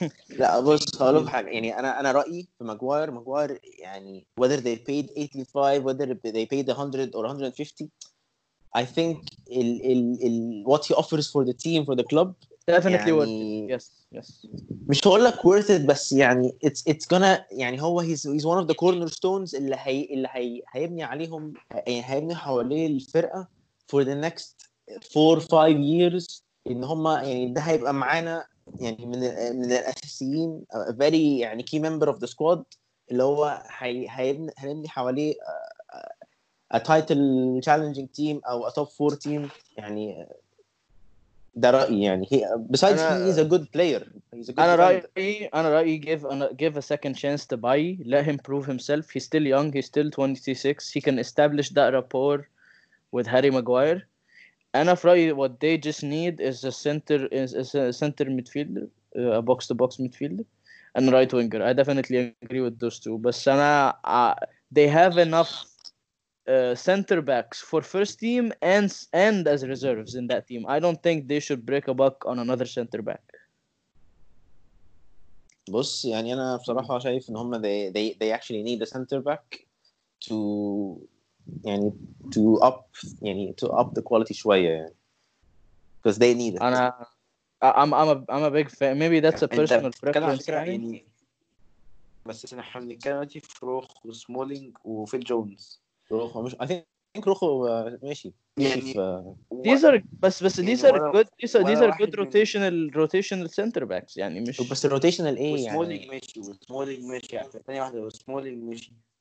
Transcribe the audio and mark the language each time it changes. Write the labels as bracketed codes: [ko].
[ar] لا بص هقول لك حاجه, يعني انا رايي في ماجواير يعني [en] whether they paid 85 whether they paid 100 or 150 I think ال what he offers for the team for the club definitely [ar] يعني [en] worth it. yes [ar] مش هقول لك [en] worth it, [ar] بس يعني [en] it's gonna [ar] يعني هو [en] he's one of the cornerstones [ar] اللي هيبني عليهم يعني هيبني حواليه الفرقه [en] for the next 4-5 years, [ar] ان هما يعني ده هيبقى معانا يعني من الاساسيين, very يعني [en] key member of the squad [ar] اللي هو هيبني حواليه [en] a title challenging team او a top 4 team. [ar] يعني ده رايي يعني [en] besides he is a good player. [ar] انا رايي [en] give a second chance to buy, let him prove himself. He's still young, he's still 26, he can establish that rapport with Harry Maguire. And I feel what they just need is a center midfielder, a box to box midfielder, and right winger. I definitely agree with those two. But they have enough center backs for first team and as reserves in that team. I don't think they should break a buck on another center back. [ar] بص يعني أنا بصراحة شايف إن هم [en] they actually need a center back to. يعني to up the quality [ar] شويه [en] because they need it. [ar] انا [en] I'm a big fan. maybe that's a personal preference. [ar] يعني بس احنا هنتكلم دلوقتي فروخ وسمولينج وفيل جونز. روخو مش [en] I think [ar] روخو ماشي يعني [en] these are good rotational center backs. [ar] يعني مش بس الروتيشنال ايه يعني وسمولينج ماشي ثاني واحده وسمولينج ماشي.